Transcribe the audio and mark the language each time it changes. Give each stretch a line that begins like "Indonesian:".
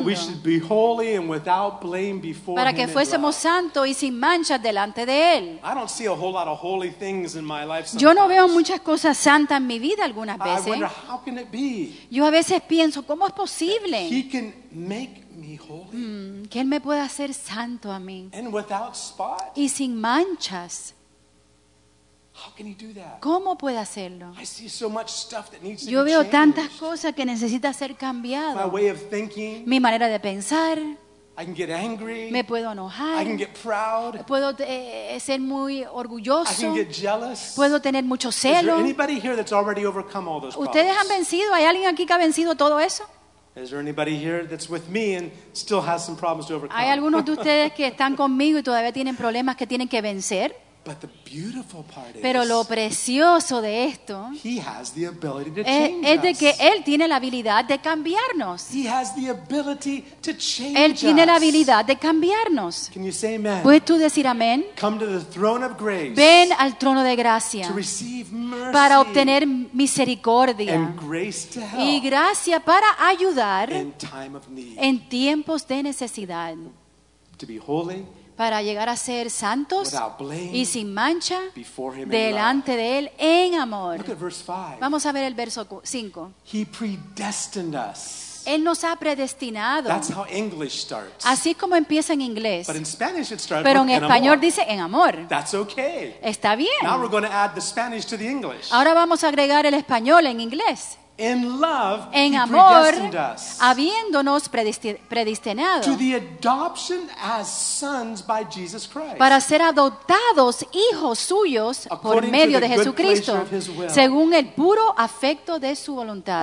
English: That we should be holy and without blame before him.
Spanish: Para que fuésemos santos y sin manchas delante de él.
English: I don't see a whole lot of holy things in my life sometimes.
Spanish: Yo no veo muchas cosas santas en mi vida algunas veces.
English: I wonder how can it be.
Spanish: Yo a veces pienso, ¿cómo es posible?
English: He can make me holy.
Spanish: Que él me pueda hacer santo a mí.
English: And without spot.
Spanish: Y sin manchas.
English: How can he do that?
Spanish: ¿Cómo puede hacerlo?
English: I see so much stuff that needs
Spanish: yo
English: to
Spanish: veo
English: changed.
Spanish: Tantas cosas que necesita ser cambiado.
English: My way of thinking.
Spanish: Mi manera de pensar.
English: I can get angry.
Spanish: Me puedo enojar.
English: I can get proud.
Spanish: Puedo ser muy orgulloso.
English: I can get jealous.
Spanish: Puedo tener mucho celo.
English: Is there anybody here that's already overcome all those problems?
Spanish: ¿Ustedes han vencido? ¿Hay alguien aquí que ha vencido todo eso?
English: Is there anybody here that's with me and still has some problems to overcome?
Spanish: ¿Hay algunos de ustedes que están conmigo y todavía tienen problemas que tienen que vencer?
English: But the beautiful part is,
Spanish: pero lo precioso de esto
English: he has the ability to change
Spanish: es de que
English: us.
Spanish: Él tiene la habilidad de cambiarnos.
English: He has the ability to change
Spanish: él tiene
English: us.
Spanish: La habilidad de cambiarnos.
English: Can you say amen?
Spanish: ¿Puedes tú decir amén?
English: Come to the throne of grace.
Spanish: Ven al trono de gracia
English: to receive mercy
Spanish: para obtener misericordia
English: and grace to help
Spanish: y gracia para ayudar
English: in time of need.
Spanish: En tiempos de necesidad.
English: To be holy
Spanish: para llegar a ser santos
English: blame,
Spanish: y sin mancha delante de él en amor.
English: Look at verse 5.
Spanish: Vamos a ver el verso 5.
English: He predestined us.
Spanish: Él nos ha predestinado.
English: That's how English starts.
Spanish: Así como empieza en inglés.
English: But in Spanish it starts
Spanish: pero en español amor. Dice en amor.
English: That's okay.
Spanish: Está bien.
English: Now we're going to add the Spanish to the English.
Spanish: Ahora vamos a agregar el español en inglés.
English: In love,
Spanish: en
English: he
Spanish: amor,
English: predestined us
Spanish: habiéndonos predestinado
English: to the adoption as sons by Jesus Christ,
Spanish: para ser adoptados hijos suyos por medio de Jesucristo, según el puro afecto de su voluntad.